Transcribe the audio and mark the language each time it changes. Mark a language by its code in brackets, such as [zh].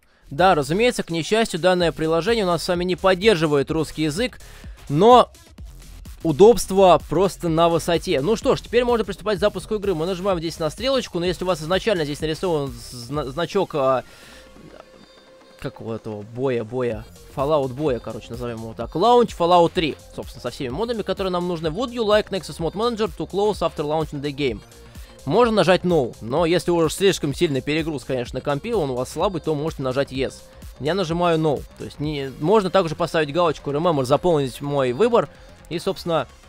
[ru] Да, разумеется, к несчастью, данное приложение у нас с вами не поддерживает русский язык, но удобство просто на высоте. Ну что ж, теперь можно приступать к запуску игры. Мы нажимаем здесь на стрелочку, но если у вас изначально здесь нарисован значок... Какого-то боя. Fallout боя, короче, назовем его так. [en] Launch Fallout 3. [ru] Собственно, со всеми модами, которые нам нужны. [en] Would you like Nexus Mod Manager to close after launching the game? [ru] Можно нажать No. Но если уже слишком сильный перегруз, конечно, компи, он у вас слабый, то можете нажать Yes. Я нажимаю No. То есть не... можно также поставить галочку Remember, заполнить мой выбор. И, собственно...